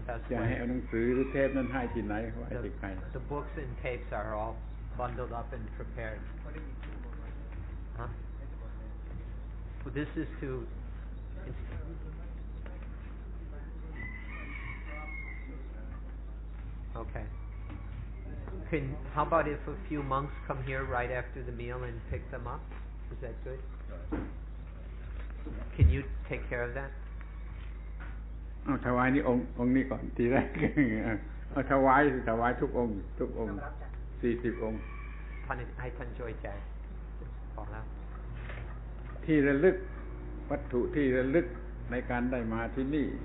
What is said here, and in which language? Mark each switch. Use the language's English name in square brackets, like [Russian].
[Thai] จะให้เอาหนังสือหรือเทปนั้นให้ที่ไหนไว้ที่ใคร [English] The books and tapes are allbundled up and prepared. Huh? Well, this is to... Okay. How about if a few monks come here right after the meal and pick them up? Is that good? Can you take care of that? [Thai] Oh, ถวายนี่องค์นี่ก่อนทีแรก Oh, ถวายทุกองค์ทุกองค์40องค์ ให้ท่านช่วยแจกพอแล้ว ที่ระลึกวัตถุที่ระลึกในการได้มาที่นี